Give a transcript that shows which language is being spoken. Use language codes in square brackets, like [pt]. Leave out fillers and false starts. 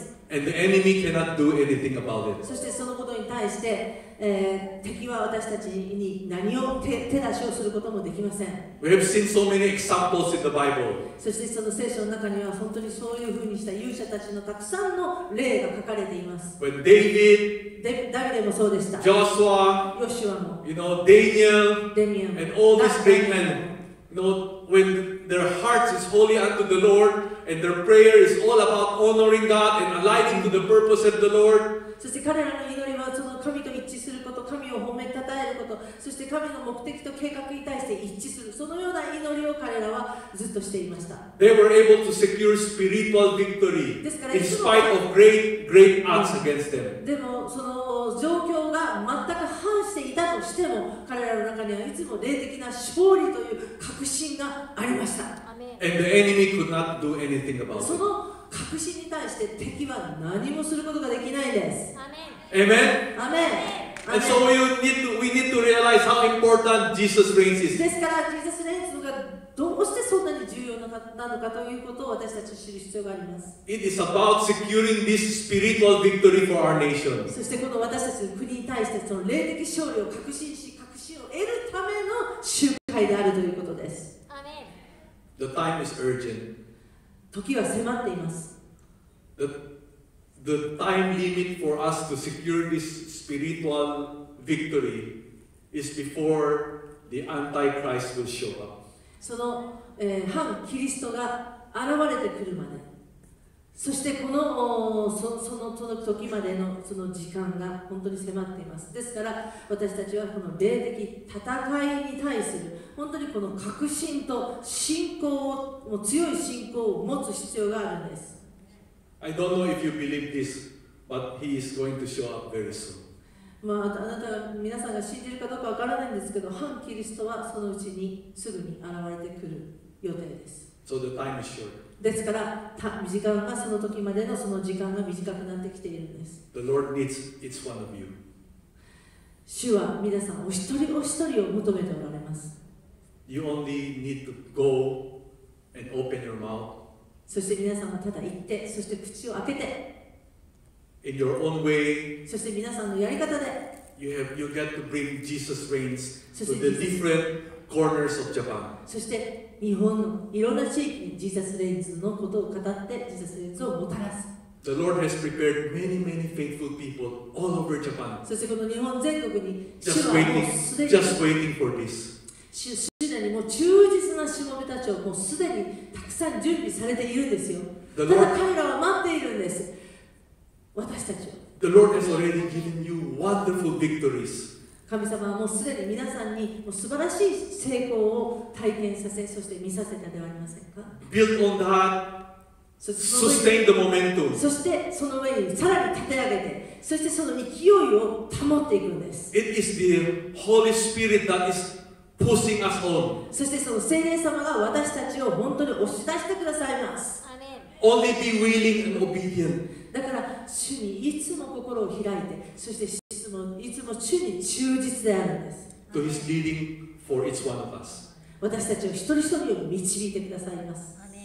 [en] And the enemy cannot do anything about it. [ja] そしてそのことに対して、敵は私たちに何を手出しをすることもできません。 [en] We have seen so many examples in the Bible. [ja] そしてその聖書の中には本当にそういうふうにした勇者たちのたくさんの例が書かれています。 [en] When David, [ja] ダビデもそうでした。 [en] Joshua, [ja] ヨシュアも、 [en] you know, Daniel, [ja] デミアン、 [en] and all these great men, you know, when their hearts is holy unto the Lord. And their prayer is all about honoring God and aligning to the purpose of the Lord. [ja] そして彼らの祈りはその神と一致すること、神を褒め称えること、そして神の目的と計画に対して一致する、そのような祈りを彼らはずっとしていました。 [en] They were able to secure spiritual victory in spite of great, great odds against them. [ja] でもその状況が全く反していたとしても、彼らの中にはいつも霊的な勝利という確信がありました。 [en] And the enemy could not do anything about it. [ja] その確信に対して敵は何もすることができないです。 [en] Amen. Amen. And so we need to realize how important Jesus reigns is. [ja] ですから、Jesus reigns がどうしてそんなに重要なのかということを私たち知る必要があります。 [en] It is about securing this spiritual victory for our nation. [ja] そしてこの私たちの国に対してその霊的勝利を確信し、確信を得るための集会であるということです。 [en] The time is urgent. [ja] 時は迫っています。 [en] The time limit for us to secure this spiritual victory is before the Antichrist will show up. [ja] その、反キリストが現れてくるまで、そしてこの、その時までのその時間が本当に迫っています。ですから私たちはこの霊的戦いに対する本当にこの確信と信仰を、もう強い信仰を持つ必要があるんです。 [en] I don't know if you believe this, but he is going to show up very soon. [ja] まあ、あなた、皆さんが信じるかどうかわからないんですけど、反キリストはそのうちにすぐに現れてくる予定です。 [en] So the time is short. [ja] ですから、短いのがその時までのその時間が短くなってきているんです。 [en] The Lord needs each one of you. [ja] 主は皆さんお一人お一人を求めておられます。 [en] You only need to go and open your mouth. [ja] そして皆さんはただ行って、そして口を開けて。 [en] In your own way. [ja] そして皆さんのやり方で。 [en] You get to bring Jesus reigns to the different corners of Japan. [ja] そして日本のいろんな地域にジーザスレインズのことを語ってジーザスレインズをもたらす。 [en] The Lord has prepared many, many faithful people all over Japan. [ja] そしてこの日本全国に主はもうすでに、 [en] just waiting for this. [ja] 主でナにも忠実なしもべたちをもうすでにたくさん準備されているんですよ。ただ彼らは待っているんです。私たちを。 [en] The Lord has already given you wonderful victories. [ja] 神様はもうすでに皆さんにもう素晴らしい成功を体験させ、そして見させたではありませんか。 [en] Build on that. Sustain the momentum. [ja] そしてその上にさらに立て上げて、そしてその勢いを保っていくんです。 [en] It is the Holy Spirit that is pushing us on. [ja] そしてその聖霊様が私たちを本当に押し出してくださいます。 [en] Only be willing and obedient. [ja] だから主にいつも心を開いて、そしていつもいつも主に忠実であるんです。 [en] To His leading for each one of us. [ja] 私たちを一人一人を導いてくださいます。